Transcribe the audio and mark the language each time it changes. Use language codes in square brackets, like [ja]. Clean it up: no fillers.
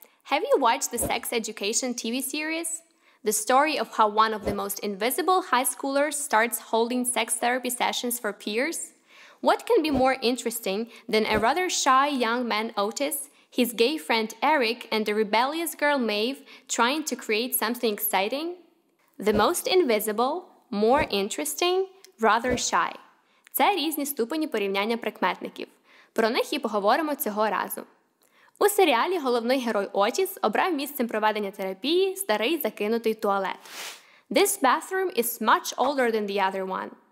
[en] Have you watched the sex education TV series? The story of how one of the most invisible high schoolers starts holding sex therapy sessions for peers? What can be more interesting than a rather shy young man Otis, his gay friend Eric, and a rebellious girl Maeve trying to create something exciting? The most invisible, more interesting, rather shy. [uk] Це різні ступені порівняння прикметників. Про них і поговоримо цього разу. У серіалі головний герой Отіс обрав місцем проведення терапії старий закинутий туалет. [en] This bathroom is much older than the other one.